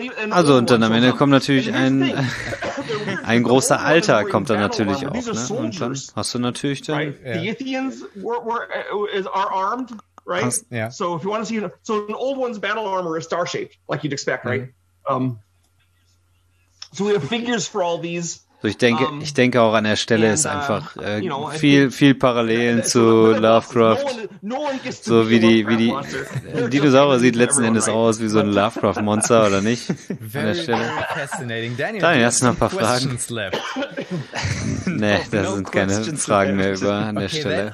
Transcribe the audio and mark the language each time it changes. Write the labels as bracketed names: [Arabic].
[German] also und dann am Ende kommt natürlich ein großer Alter kommt dann natürlich auch, ne? Und dann hast du natürlich dann [English] right. Yeah. The Ithians are armed, right? Yeah. So if you want to see so an old one's battle armor is star shaped like you'd expect, mm-hmm. Right? So we have figures for all these. [German] So ich denke auch an der Stelle ist einfach viel Parallelen zu Lovecraft. So wie die Dinosaurier sieht letzten Endes aus wie so ein Lovecraft-Monster, oder nicht? An der Stelle. Daniel, hast du noch ein paar Fragen? Nee, da sind keine Fragen mehr über an der Stelle.